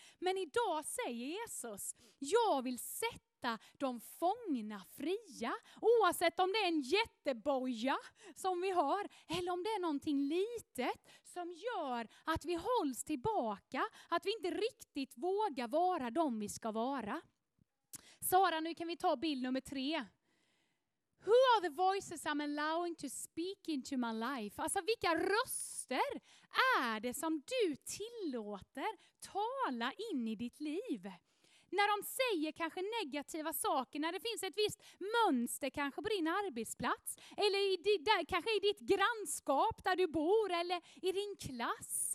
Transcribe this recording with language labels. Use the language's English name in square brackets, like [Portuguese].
[Swedish] Men idag säger Jesus, jag vill sätta de fångna fria, oavsett om det är en jätteboja som vi har eller om det är någonting litet som gör att vi hålls tillbaka, att vi inte riktigt vågar vara de vi ska vara. Sara, nu kan vi ta bild nummer 3. [English] Who are the voices I'm allowing to speak into my life? [Swedish] Alltså, vilka röster är det som du tillåter tala in i ditt liv? När de säger kanske negativa saker, när det finns ett visst mönster kanske på din arbetsplats. Eller kanske i ditt grannskap där du bor, eller i din klass.